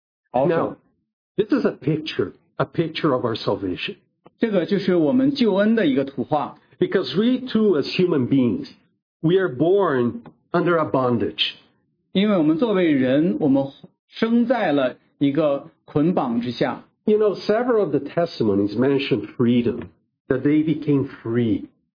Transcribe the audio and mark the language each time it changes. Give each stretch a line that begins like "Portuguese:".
English: Now, this is a picture of our salvation.
Chinese: 这个就是我们救恩的一个图画。
English: Because we too, as human beings, we are born under a bondage.
Chinese: 因为我们作为人,我们生在了一个捆绑之下。
English: You know, several of the testimonies mention freedom, that they became free.